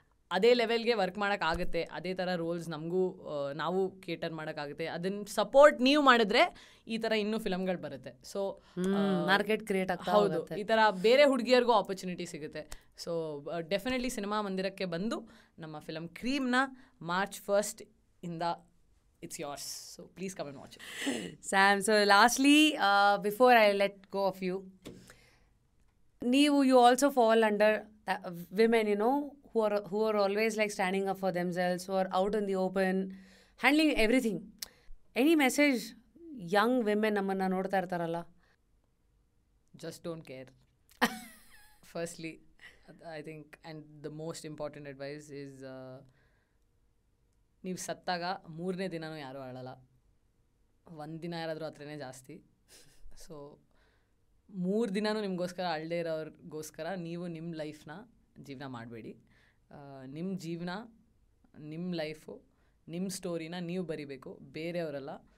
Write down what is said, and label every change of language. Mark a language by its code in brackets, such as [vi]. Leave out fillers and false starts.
[kn] ಅದೇ ಲೆವೆಲ್ಗೆ ವರ್ಕ್ ಮಾಡೋಕ್ಕಾಗುತ್ತೆ, ಅದೇ ಥರ ರೋಲ್ಸ್ ನಮಗೂ ನಾವು ಕೇಟರ್ ಮಾಡೋಕ್ಕಾಗುತ್ತೆ. ಅದನ್ನ ಸಪೋರ್ಟ್ ನೀವು ಮಾಡಿದ್ರೆ ಈ ಥರ ಇನ್ನೂ ಫಿಲಮ್ಗಳು ಬರುತ್ತೆ. ಸೊ ಮಾರ್ಕೆಟ್ ಕ್ರಿಯೇಟ್ ಆಗುತ್ತೆ. ಹೌದು, ಈ ಥರ ಬೇರೆ ಹುಡುಗಿಯರಿಗೂ ಆಪರ್ಚುನಿಟಿ ಸಿಗುತ್ತೆ. ಸೊ ಡೆಫಿನೆಟ್ಲಿ ಸಿನಿಮಾ ಮಂದಿರಕ್ಕೆ ಬಂದು ನಮ್ಮ ಫಿಲಮ್ ಕ್ರೀಮ್ನ March 1st ಇಂದ [en] it's yours, so please come and watch it. Sam, so lastly, before I let go of you, you also fall under women, you know, who are always like standing up for themselves, who are out in the open handling everything. Any message young women [kn] namanna nodta irtaralla, [en] just don't care. Firstly, I think, and the most important advice is [kn] ನೀವು ಸತ್ತಾಗ 3rd day ಯಾರೂ ಅಳಲ್ಲ, 1 day ಯಾರಾದರೂ ಹತ್ರನೇ ಜಾಸ್ತಿ. So 3 days ನಿಮಗೋಸ್ಕರ ಅಳದೇ ಇರೋರಿಗೋಸ್ಕರ ನೀವು ನಿಮ್ಮ ಲೈಫ್ನ ಜೀವನ ಮಾಡಬೇಡಿ. ನಿಮ್ಮ ಜೀವನ, ನಿಮ್ಮ ಲೈಫು, ನಿಮ್ಮ ಸ್ಟೋರಿನ ನೀವು ಬರಿಬೇಕು, ಬೇರೆಯವರಲ್ಲ.